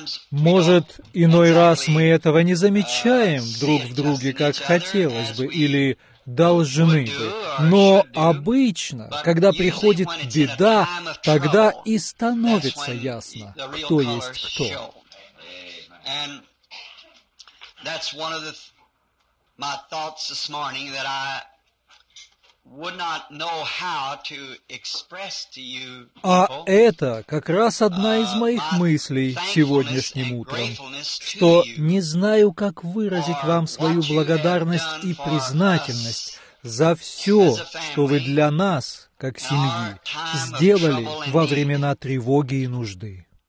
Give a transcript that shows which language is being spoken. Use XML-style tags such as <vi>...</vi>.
<ru>Может, иной раз мы этого не замечаем друг в друге, как хотелось бы или должны бы, но обычно, когда приходит беда, тогда и становится ясно, кто есть кто.</ru> <en>That's one of my thoughts this morning that I would not know how to express to you.</en> <ru>А это как раз одна из моих мыслей сегодняшним утром, что не знаю, как выразить вам свою благодарность и признательность за все, что вы для нас, как семьи, сделали во времена тревоги и нужды.</ru>